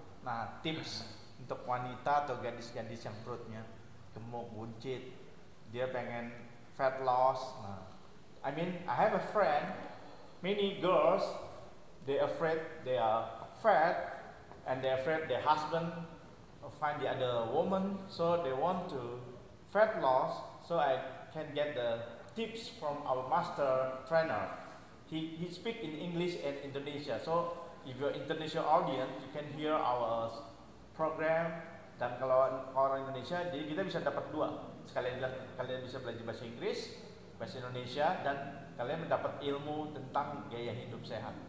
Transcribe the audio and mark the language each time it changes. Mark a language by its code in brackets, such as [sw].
[id] Nah, tips untuk wanita atau gadis-gadis yang perutnya gemuk, buncit, dia pengen fat loss. [en] Nah, I mean, I have a friend, many girls, they afraid they are fat, and they afraid their husband find the other woman, so they want to fat loss, so I can get the tips from our master trainer. He speak in English and Indonesia, so if you're international audience, you can hear our program. [id] Dan kalau orang Indonesia, jadi kita bisa dapat dua. Sekalian kalian bisa belajar bahasa Inggris, bahasa Indonesia, dan kalian mendapat ilmu tentang gaya hidup sehat.